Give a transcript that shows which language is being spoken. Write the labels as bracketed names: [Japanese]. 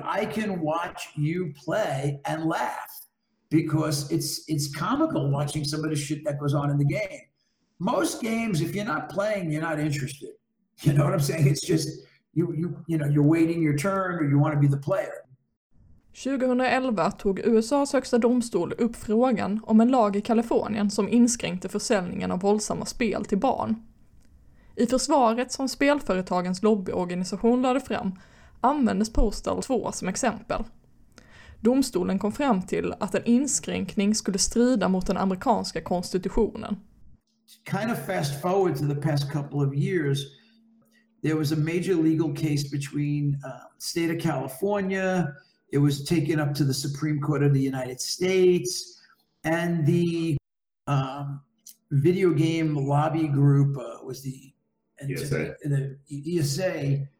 [English] I can watch you play and laugh because it's comical watching some of the shit that goes on in the game. Most games, if you're not playing, you're not interested. You know what I'm saying? It's just, you know, you're waiting your turn or you want to be the player. [Swedish] 2011 tog USA:s högsta domstol upp frågan om en lag i Kalifornien som inskränkte försäljningen av våldsamma spel till barn. I försvaret som spelföretagens lobbyorganisation lade fram användes Postal 2 som exempel. Domstolen kom fram till att en inskränkning skulle strida mot den amerikanska konstitutionen. [English] Kind of fast forward to the past couple of years, there was a major legal case between state of California. It was taken up to the Supreme Court of the United States, and the video game lobby group was the ESA.